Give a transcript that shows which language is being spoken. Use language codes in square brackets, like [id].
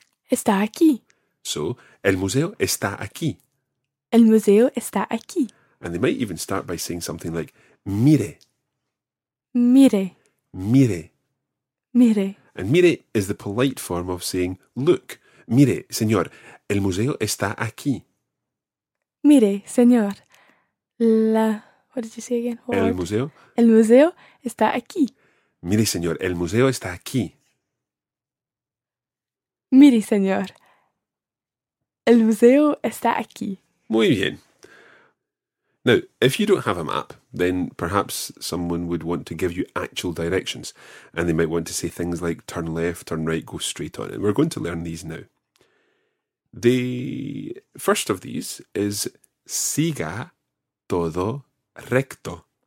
[es] Está aquí. So, el museo está aquí. El museo está aquí. [en] And they might even start by saying something like, mire. [es] Mire. Mire. Mire. [en] And mire is the polite form of saying, look. [es] Mire, señor, el museo está aquí. Mire, señor, la... [en] What did you say again? What [es] el word? Museo. El museo está aquí. Mire, señor, el museo está aquí. Mire, señor, el museo está aquí. Muy bien. [en] Now, if you don't have a map, then perhaps someone would want to give you actual directions, and they might want to say things like turn left, turn right, go straight on. And we're going to learn these now. The first of these is [es] siga todo recto.